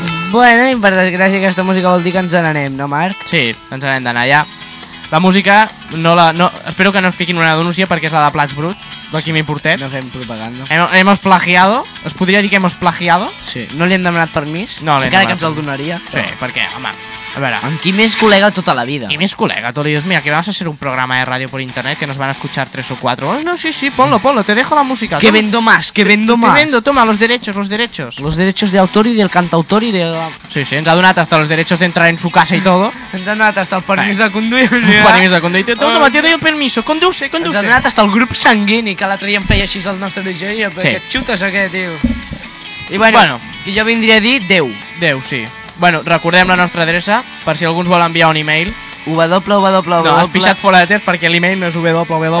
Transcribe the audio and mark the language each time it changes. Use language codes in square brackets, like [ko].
[ca] Bueno, i per desgràcia aquesta música vol dir que ens n'anem, no, Marc? Sí, ens n'hem d'anar ja. La música, no, espero que no ens fiquin una denúncia perquè és la de Plats Bruts, del Quim i Portet. No fem propaganda. [es] Hemos plagiado, [ca] es podria dir que [es] hemos plagiado. [ca] Sí, no li hem demanat permís, no, encara que ens el donaria. Sí, però... perquè, home, a veure... En Quim és col·lega tota la vida. Quim és col·lega, tu li dius, mira, que vas a ser un programa de ràdio per internet que [es] nos van a escuchar 3 o 4. Oh, no, sí, ponlo, te dejo la música. Que vendo más, que vendo más. Te vendo, toma, los derechos. Los derechos de autor y del cantautor y de... Sí, sí, [ca] ens ha donat [es] hasta los derechos de entrar en su casa y todo. [ca] Ens ha donat hasta el permís de conduir. [es] Toma, te doy permiso, conduce. [ca] Ens ha donat hasta el grup sanguini, que l'altre dia em feia així el nostre DJ. Sí. Que xutes o què, tio? I bueno, que jo vindria a dir Déu. Déu, sí. Bueno, recordem la nostra adreça, per si algú ens vol enviar un e-mail. www. No, has pixat fora de test perquè l'e-mail no és www.